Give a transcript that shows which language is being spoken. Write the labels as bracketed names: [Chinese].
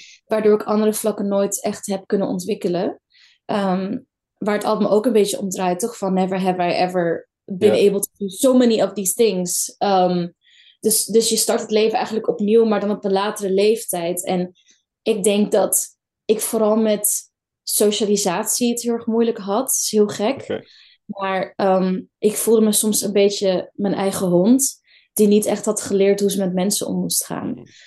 [Dutch] Waardoor ik andere vlakken nooit echt heb kunnen ontwikkelen. Waar het allemaal ook een beetje om draait, toch? [English] Van never have I ever been able to do so many of these things. [Dutch] Dus je start het leven eigenlijk opnieuw, maar dan op een latere leeftijd. En ik denk dat ik vooral met socialisatie het heel erg moeilijk had. Dat is heel gek. Okay. Maar ik voelde me soms een beetje mijn eigen hond, die niet echt had geleerd hoe ze met mensen om moest gaan.